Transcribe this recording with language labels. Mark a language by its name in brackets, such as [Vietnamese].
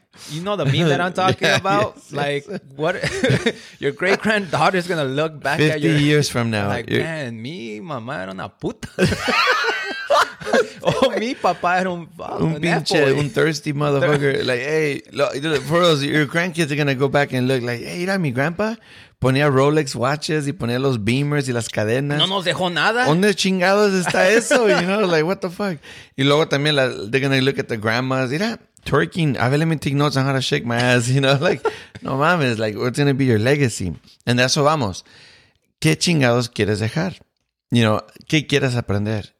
[English] You know the meme that I'm talking about? Yes, like, what? Your great-granddaughter is going to look back at you 50 years from now. [Spanish] Like, man, mi mamá era una puta. Oh, mi papá era un pinche, un [English] thirsty motherfucker. Like, hey, look, for us, your grandkids are going to go back and look like, hey, [Spanish] era mi [English] grandpa. [Spanish] Ponía Rolex watches y ponía los Beamers y las cadenas. No nos dejó nada. ¿Dónde chingados está eso? [English] You know, like, what the fuck? [Spanish] Y luego también, [English] they're going to look at the grandmas. [Spanish] Mira, [English] twerking. [Spanish] A ver, [English] let me take notes on how to shake my ass. You know, like, [Spanish] no mames. [English] Like, what's going to be your legacy? And [Spanish] de eso vamos. ¿Qué chingados quieres dejar? [English] You know, [Spanish] ¿qué quieres aprender?